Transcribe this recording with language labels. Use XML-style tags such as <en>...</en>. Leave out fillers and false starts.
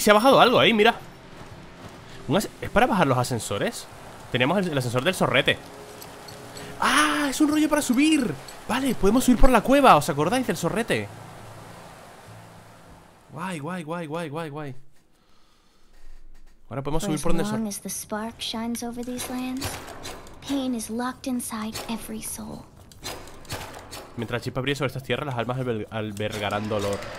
<es>Se ha bajado algo ahí, mira. ¿Es para bajar los ascensores? Tenemos el ascensor del zorrete. ¡Ah! ¡Es un rollo para subir! Vale, podemos subir por la cueva. ¿Os acordáis del zorrete? Guay, guay, guay, guay, guay, guay. Ahora podemos subir por donde son.</es> <en>As the spark shines over these lands, pain is locked inside every soul.</en> <es>Mientras chispa brille sobre estas tierras, las almas albergarán dolor.</es>